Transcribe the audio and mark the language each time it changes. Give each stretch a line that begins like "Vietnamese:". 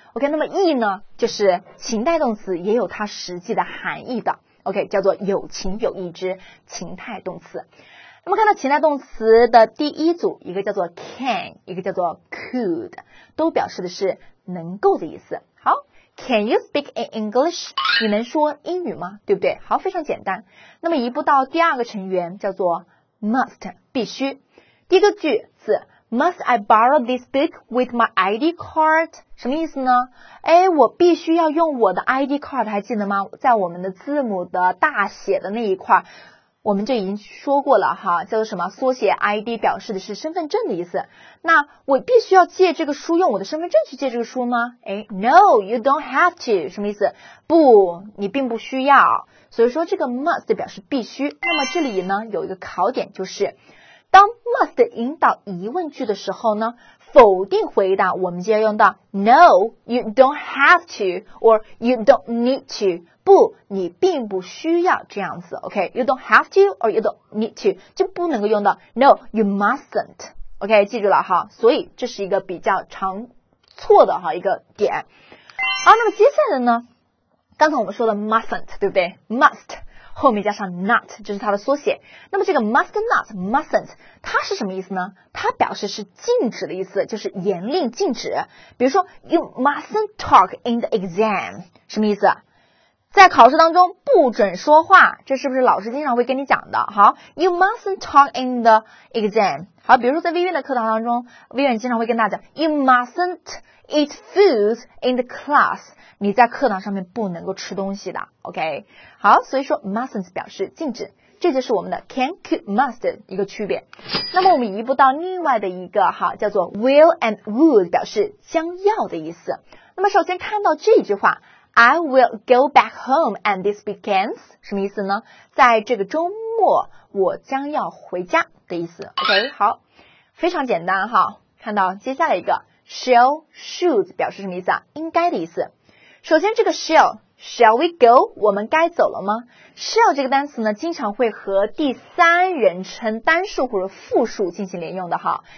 Chinese: OK， 那么 E 呢，就是情态动词，也有它实际的含义的。 OK， 叫做有情有义之情态动词。那么看到情态动词的第一组，一个叫做 can， 一个叫做 could， 都表示的是能够的意思。
English: 好， can you speak in English？
Chinese: 你能说英语吗？对不对？好，非常简单。那么一步到第二个成员，叫做 must， 必须。第一个句子，
English: must I borrow this book with my ID card？
Chinese: 什么意思呢？诶，我必须要用我的 ID card， 还记得吗？在我们的字母的大写的那一块，我们就已经说过了哈，叫做什么，缩写 ID 表示的是身份证的意思。那我必须要借这个书，用我的身份证去借这个书吗？
English: 诶， No, you don't have to，
Chinese: 什么意思？不，你并不需要。所以说这个 must 表示必须。那么这里呢，有一个考点，就是当 must 引导疑问句的时候呢，否定回答我们就要用到
English: No, you don't have to， or you don't need to，
Chinese: 不，你并不需要，这样子。
English: OK， you don't have to or you don't need to，
Chinese: 就不能够用到
English: No, you mustn't。
Chinese: OK， 记住了哈，所以这是一个比较常错的哈一个点。好，那么接下来呢，刚才我们说的 mustn't， 对不对？ must后面加上 not， 就是它的缩写。那么这个 must not， mustn't， 它是什么意思呢？它表示是禁止的意思，就是严令禁止。比如说
English: you mustn't talk in the exam，
Chinese: 什么意思？在考试当中不准说话，这是不是老师经常会跟你讲的？
English: 好， you mustn't talk in the exam。
Chinese: 好，比如说在微院的课堂当中，微院经常会跟大家讲
English: you mustn't eat foods in the class，
Chinese: 你在课堂上面不能够吃东西的， OK。好，所以说 mustn't 表示禁止，这就是我们的 can, could, must 的一个区别。那么我们移步到另外的一个哈，叫做 will and would， 表示将要的意思。那么首先看到这句话，
English: I will go back home and this weekend，
Chinese: 什么意思呢？在这个周末我将要回家的意思， OK。好，非常简单哈。看到接下来一个 shall, should 表示什么意思啊？应该的意思。首先这个
English: shall we go，
Chinese: 我们该走了吗？ shall 这个单词呢，经常会和第三人称单数或者复数进行连用的哈。